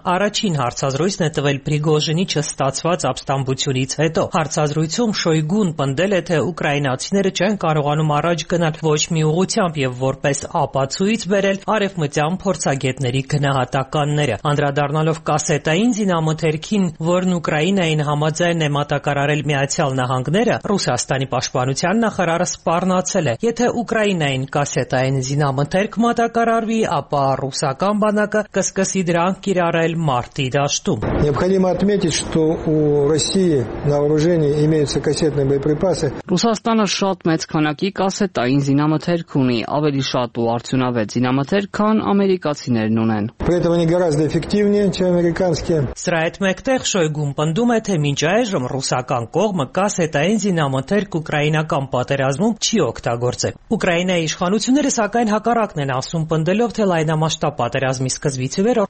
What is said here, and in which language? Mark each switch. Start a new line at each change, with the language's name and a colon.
Armenian: առաջին հարցազրույցն է տվել Պրիգոժինի չստացված ապստամբությունից հետո։ Հարցազրույցում Շոյգուն պնդել է, թե ուկրաինացիները չեն կարողանում առաջ գնալ ոչ մի ուղությամբ և որպես ապացույց վերել արևմտյան փորձագետների գնահատականները, անդրադառնալով կասետային զինամթերքին, որն Ուկրաինային համաձայն է մատակարարել Միացյալ Նահանգները, Ռուսաստանի պաշտպանության նախարարը սպառնացել է. Եթե Ուկրաինային կասետային զինամթերք մատակարարվի, ապա ռուսական բանակը կսկսի դրան կիրառել մարտի դաշտում։
Russian: Необходимо отметить, что у России на вооружении имеются кассетные боеприпасы.
Armenian: Ռուսաստանը շատ մեծ քանակի կասետային զինամթերք ունի, ավելի շատ ու արդյունավետ զինամթեր, քան ամերիկացիներն ունեն։ Սրայթ մեկտեղ Շոյգուն պնդում է, թե մինչ այժմ ռուսական կողմը կասետային զինամթեր ուկրաինական պատերազմում չի օգտագործել։ Ուկրաինայի իշխանությունները, սակայն, հակառակն են ասում, պնդելով, թե լայնամասշտաբ պատերազմի սկզբից ի վեր